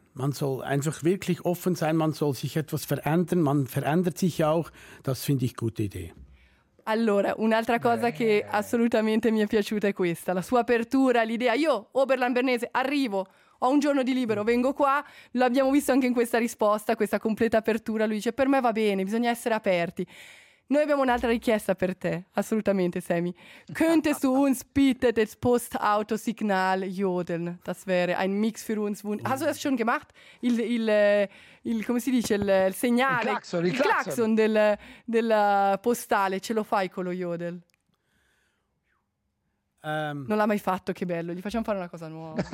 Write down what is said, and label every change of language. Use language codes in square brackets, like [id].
[de] Man soll einfach wirklich offen sein, man soll sich etwas verändern, man verändert sich auch, das finde ich gute Idee. [it] Allora, un'altra cosa che assolutamente mi è piaciuta è questa, la sua apertura, l'idea, io, Oberlandbernese, arrivo, ho un giorno di libero, vengo qua, l'abbiamo visto anche in questa risposta, questa completa apertura, lui dice, per me va bene, bisogna essere aperti. Noi abbiamo un'altra richiesta per te, assolutamente, Semi. [de] Könntest du uns bitte das Postautosignal jodeln? Das wäre ein Mix für uns. Hast du das schon gemacht? [it] Il come si dice, il segnale? Il klaxon della postale, ce lo fai con lo jodel? Non l'ha mai fatto, che bello, gli facciamo fare una cosa nuova.